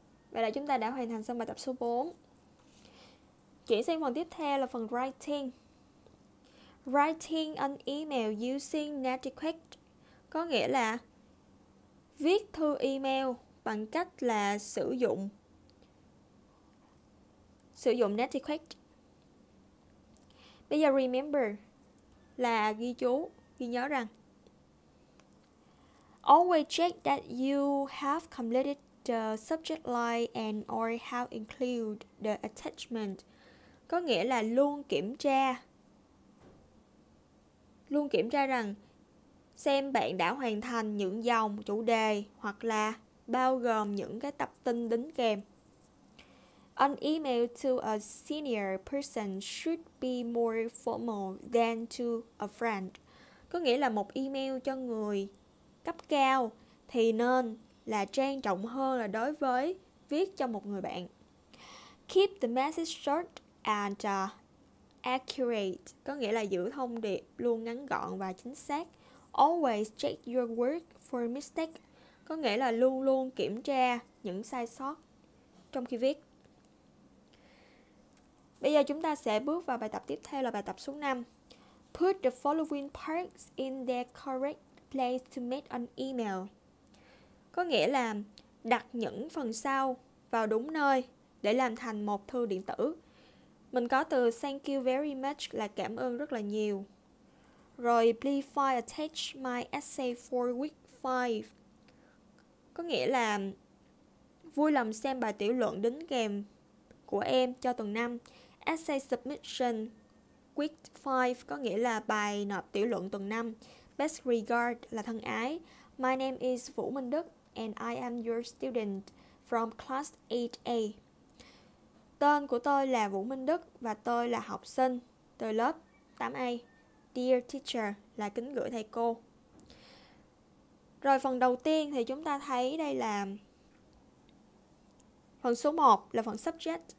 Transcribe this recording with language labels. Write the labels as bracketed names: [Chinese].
[Vietnamese] Vậy là chúng ta đã hoàn thành xong bài tập số 4. Chuyển sang phần tiếp theo là phần writing. [English] Writing an email using netiquette [Vietnamese] có nghĩa là viết thư email bằng cách là sử dụng netiquette. Bây giờ [English] remember [Vietnamese] là ghi chú, ghi nhớ rằng [English] always check that you have completed the subject line and or have include the attachment. [Vietnamese] Có nghĩa là luôn kiểm tra rằng xem bạn đã hoàn thành những dòng chủ đề hoặc là bao gồm những cái tập tin đính kèm. [English] An email to a senior person should be more formal than to a friend. [Vietnamese] Có nghĩa là một email cho người cấp cao thì nên là trang trọng hơn là đối với viết cho một người bạn. [English] Keep the message short and accurate. [Vietnamese] Có nghĩa là giữ thông điệp luôn ngắn gọn và chính xác. [English] Always check your work for mistake. [Vietnamese] Có nghĩa là luôn luôn kiểm tra những sai sót trong khi viết. Bây giờ chúng ta sẽ bước vào bài tập tiếp theo là bài tập số 5. [English] Put the following parts in their correct place to make an email. [Vietnamese] Có nghĩa là đặt những phần sau vào đúng nơi để làm thành một thư điện tử. Mình có từ [English] thank you very much [Vietnamese] là cảm ơn rất là nhiều. Rồi [English] please file attach my essay for week 5. [Vietnamese] Có nghĩa là vui lòng xem bài tiểu luận đính kèm của em cho tuần 5. [English] Essay submission week 5 [Vietnamese] có nghĩa là bài nộp tiểu luận tuần 5. [English] Best regard [Vietnamese] là thân ái. [English] My name is Vũ Minh Đức and I am your student from class 8A. [Vietnamese] Tên của tôi là Vũ Minh Đức và tôi là học sinh từ lớp 8A. [English] Dear teacher [Vietnamese] là kính gửi thầy cô. Rồi phần đầu tiên thì chúng ta thấy đây là phần số 1 là phần subject.